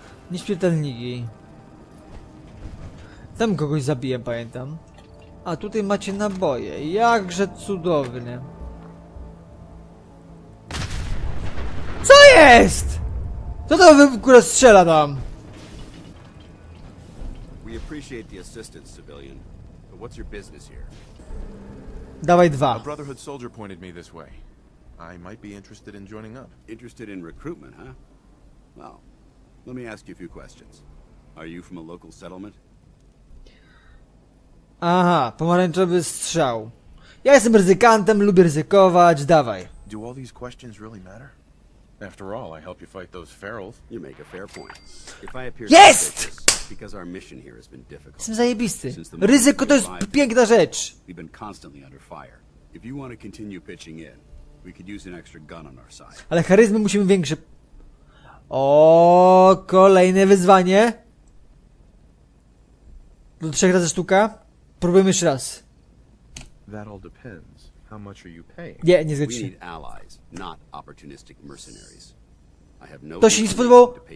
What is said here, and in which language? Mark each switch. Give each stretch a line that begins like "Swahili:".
Polish: Nieśmiertelniki. Tam kogoś zabiję, pamiętam. A tutaj macie naboje, jakże cudowne. Co jest? Co to wy w ogóle strzela tam?
English: We appreciate the assistance, civilian, but what's your business here?
Polish: Dawaj dwa.
English: A Brotherhood soldier pointed me this way. I might be interested in joining up. Interested in recruitment, huh? Well, let me ask you a few questions. Are you from a local settlement?
Polish: Aha, pomarańczowy strzał. Ja jestem ryzykantem, lubię ryzykować, dawaj.
English: Do all these questions really matter? After all, I help you fight those ferals. You make a fair point. If I appear yes! Because our mission here has been difficult.
Polish: Jestem zajebisty. Ryzyko to jest piękna rzecz.
English: We've been constantly under fire. If you want to continue pitching in, we could use an extra gun on our side.
Polish: Ale charyzmy musimy większe. O, kolejne wyzwanie. Do trzech razy sztuka. Próbujmy jeszcze raz.
English: That all depends. How much are you paying?
Polish: Nie, nie zgadzam się.
English: We need allies, not opportunistic mercenaries.
Polish: To się nie spodobało?